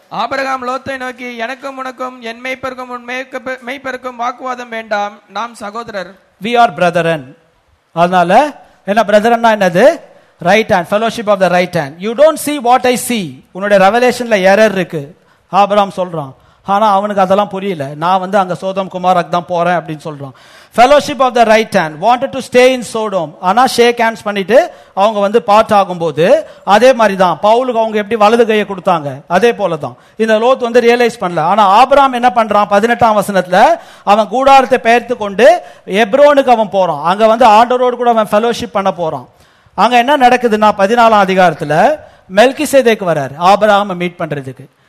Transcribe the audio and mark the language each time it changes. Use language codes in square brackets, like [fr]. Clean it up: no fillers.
[ta] Abraham லோத்தை நோக்கி, எனக்கும் உனக்கும் என் மெய்ப்பருக்கும் உன் மெய்ப்பருக்கும் வாக்குவாதம் வேண்டாம், நாம் சகோதரர். [en] We are brethren. [ta] அதனால என்ன [en] brethren [ta] என்னது? [en] Right hand, fellowship of the right hand. You don't see what I see. [ta] உன்னுடைய revelationல error இருக்கு. ஆபிரகாம் சொல்றான், ஆனா அவனுக்கு அதெல்லாம் புரியல. நான் வந்து அங்க சோதோம் குமாரக்கு தான் போறேன் அப்படின்னு சொல்றான். [en] Fellowship of the right hand wanted to stay in Sodom. [ta] ஆனா ஷேக் ஹேண்ட்ஸ் பண்ணிட்டு அவங்க வந்து பார்ட் ஆகும்போது அதே மாதிரி தான் பவுலுக்கு அவங்க எப்படி வலது கையை கொடுத்தாங்க அதே போலதான் இந்த லோத் வந்து ரியலைஸ் பண்ணல. ஆனா ஆபிரகாம் என்ன பண்றான், 18 அவன் கூடாரத்தை பெயர்த்து கொண்டு எப்ரோனுக்கு அவன் போறான். அங்க வந்து ஆண்டவரோடு கூட அவன் ஃபெலோஷிப் பண்ண போறான். அங்க என்ன நடக்குதுன்னா 14 மெல்கிசேதேக்கு வர்றாரு ஆபிரகாம மீட் பண்றதுக்கு.